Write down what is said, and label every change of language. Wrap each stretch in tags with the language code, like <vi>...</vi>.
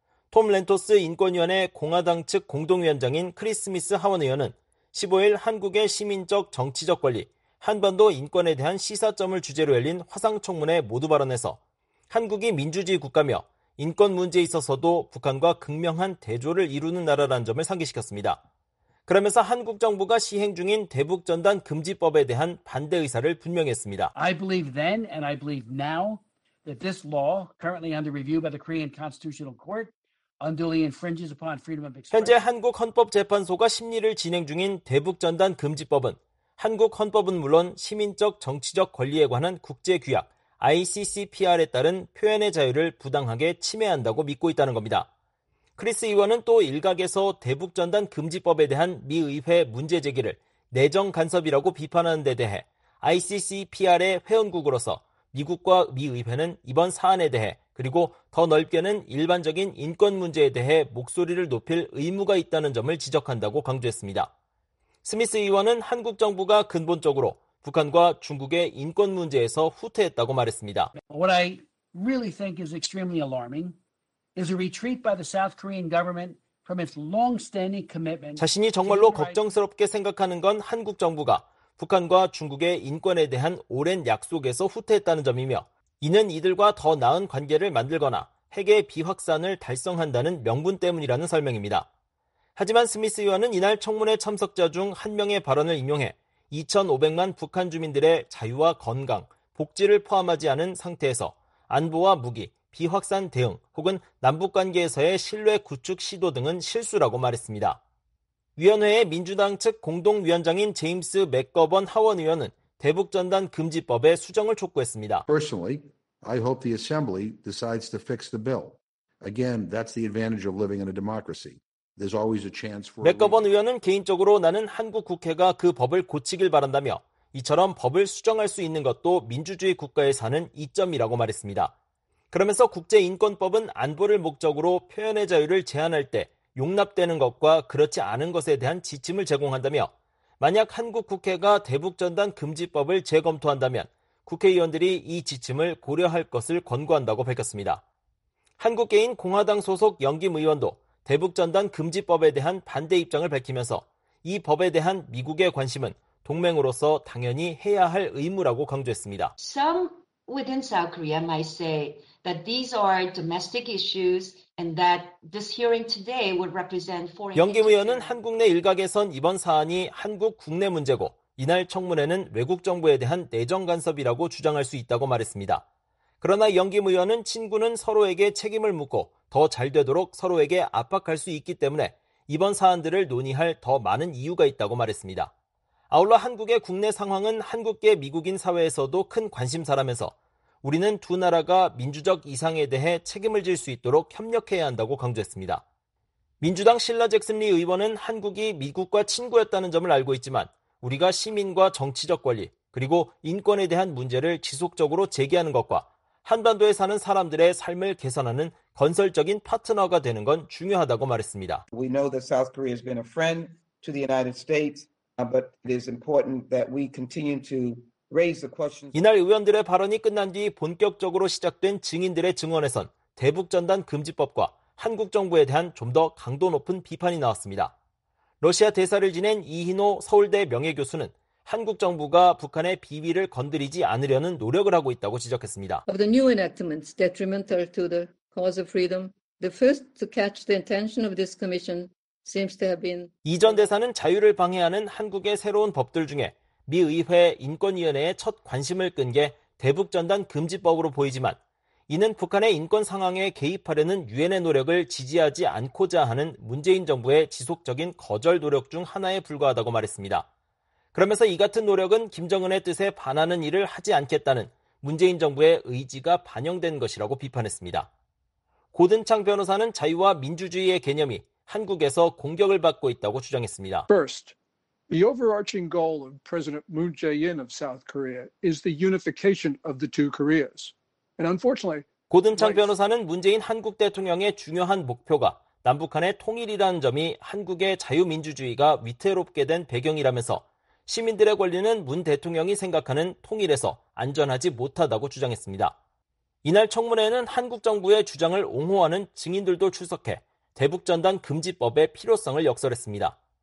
<ko>톰 렌토스 인권위원회 공화당 측 공동위원장인 크리스미스 하원의원은 15일 한국의 시민적 정치적 권리, 한반도 인권에 대한 시사점을 주제로 열린 화상청문회 모두 발언에서 한국이 민주주의 국가며 인권 문제에 있어서도 북한과 극명한 대조를 이루는 나라라는 점을 상기시켰습니다. 그러면서 한국 정부가 시행 중인 대북전단금지법에 대한 반대 의사를 분명했습니다.</ko> <en>I believe then and I believe now that this law currently under review by the Korean Constitutional Court</en> <ko>현재 한국 헌법재판소가 심리를 진행 중인 대북전단금지법은 한국 헌법은 물론 시민적 정치적 권리에 관한 국제규약 ICCPR에 따른 표현의 자유를 부당하게 침해한다고 믿고 있다는 겁니다. 크리스 의원은 또 일각에서 대북전단금지법에 대한 미 의회 문제 제기를 내정 간섭이라고 비판하는 데 대해 ICCPR의 회원국으로서 미국과 미 의회는 이번 사안에 대해 그리고 더 넓게는 일반적인 인권 문제에 대해 목소리를 높일 의무가 있다는 점을 지적한다고 강조했습니다. 스미스 의원은 한국 정부가 근본적으로 북한과 중국의 인권 문제에서 후퇴했다고 말했습니다.</ko> <en>What I really think is extremely alarming is a retreat by the South Korean government from its long-standing commitment.</en> <ko>자신이 정말로 걱정스럽게 생각하는 건 한국 정부가 북한과 중국의 인권에 대한 오랜 약속에서 후퇴했다는 점이며 이는 이들과 더 나은 관계를 만들거나 핵의 비확산을 달성한다는 명분 때문이라는 설명입니다. 하지만 스미스 의원은 이날 청문회 참석자 중 한 명의 발언을 인용해 2,500만 북한 주민들의 자유와 건강, 복지를 포함하지 않은 상태에서 안보와 무기, 비확산 대응 혹은 남북관계에서의 신뢰 구축 시도 등은 실수라고 말했습니다. 위원회의 민주당 측 공동위원장인 제임스 맥거번 하원 의원은 대북전단 금지법의 수정을 촉구했습니다.</ko> <en>Personally, I hope the assembly decides to fix the bill. Again, that's the advantage of living in a democracy. There's always a chance for</en> <ko>맥거번 의원은 개인적으로 나는 한국 국회가 그 법을 고치길 바란다며 이처럼 법을 수정할 수 있는 것도 민주주의 국가에 사는 이점이라고 말했습니다. 그러면서 국제인권법은 안보를 목적으로 표현의 자유를 제한할 때 용납되는 것과 그렇지 않은 것에 대한 지침을 제공한다며 만약 한국 국회가 대북전단 금지법을 재검토한다면 국회의원들이 이 지침을 고려할 것을 권고한다고 밝혔습니다. 한국계인 공화당 소속 영김 의원도 대북전단 금지법에 대한 반대 입장을 밝히면서 이 법에 대한 미국의 관심은 동맹으로서 당연히 해야 할 의무라고 강조했습니다.</ko> <en>Some within South Korea might say that these are domestic issues and that this hearing today would represent foreign.</en> <ko>영김 의원은 한국 내 일각에선 이번 사안이 한국 국내 문제고 이날 청문회는 외국 정부에 대한 내정 간섭이라고 주장할 수 있다고 말했습니다. 그러나 영김 의원은 친구는 서로에게 책임을 묻고 더 잘 되도록 서로에게 압박할 수 있기 때문에 이번 사안들을 논의할 더 많은 이유가 있다고 말했습니다. 아울러 한국의 국내 상황은 한국계 미국인 사회에서도 큰 관심사라면서 우리는 두 나라가 민주적 이상에 대해 책임을 질 수 있도록 협력해야 한다고 강조했습니다. 민주당 실라 잭슨 리 의원은 한국이 미국과 친구였다는 점을 알고 있지만 우리가 시민과 정치적 권리 그리고 인권에 대한 문제를 지속적으로 제기하는 것과 한반도에 사는 사람들의 삶을 개선하는 건설적인 파트너가 되는 건 중요하다고 말했습니다.</ko> <en>We know that South Korea has been a friend to the United States, but it is important that we continue to raise the questions.</en> <ko>이날 의원들의 발언이 끝난 뒤 본격적으로 시작된 증인들의 증언에선 대북전단 금지법과 한국 정부에 대한 좀 더 강도 높은 비판이 나왔습니다. 러시아 대사를 지낸 이희노 서울대 명예교수는 한국 정부가 북한의 비위를 건드리지 않으려는 노력을 하고 있다고 지적했습니다.</ko> <en>Of the new enactments detrimental to the cause of freedom, the first to catch the intention of this commission seems to have been.</en> <ko>이전 대사는 자유를 방해하는 한국의 새로운 법들 중에 미 의회 인권위원회의 첫 관심을 끈 게 대북전단 금지법으로 보이지만 이는 북한의 인권 상황에 개입하려는 유엔의 노력을 지지하지 않고자 하는 문재인 정부의 지속적인 거절 노력 중 하나에 불과하다고 말했습니다. 그러면서 이 같은 노력은 김정은의 뜻에 반하는 일을 하지 않겠다는 문재인 정부의 의지가 반영된 것이라고 비판했습니다. 고든창 변호사는 자유와 민주주의의 개념이 한국에서 공격을 받고 있다고 주장했습니다.</ko> <en>First, the overarching goal of President Moon Jae-in of South Korea is the unification of the two Koreas. And unfortunately,</en> <ko>고든창 변호사는 문재인 한국 대통령의 중요한 목표가 남북한의 통일이라는 점이 한국의 자유민주주의가 위태롭게 된 배경이라면서 시민들의 권리는 문 대통령이 생각하는 통일에서 안전하지 못하다고 주장했습니다. 이날 청문회에는 한국 정부의 주장을 옹호하는 증인들도 출석해 대북전단 금지법의 필요성을 역설했습니다.</ko>